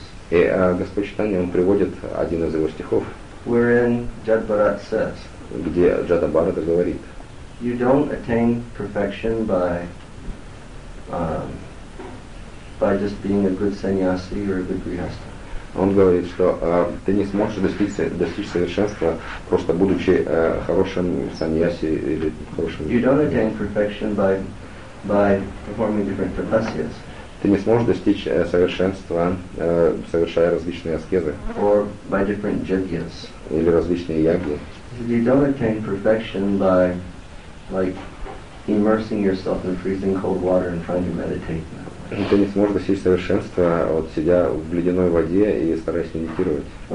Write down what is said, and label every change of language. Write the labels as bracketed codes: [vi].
[ru] И Господь Чайтанья, он приводит один из его стихов, [en] wherein Jadabharat says, [ru] где Джадабарата говорит, [en] you don't attain perfection by just being a good sannyasi or a good grihastha. [ru] Он говорит, что ты не сможешь достичь совершенства, просто будучи хорошим саньяси или хорошим. [en] You don't attain perfection by performing different tapasyas. [ru] Ты не сможешь достичь совершенства, совершая различные аскезы. [en] Or by different jagyas. [ru] Или различные ягьи. [en] You don't attain perfection by, like, immersing yourself in freezing cold water and trying to meditate. [ru] Ты не сможешь достичь совершенства, вот сидя в ледяной воде и стараясь медитировать.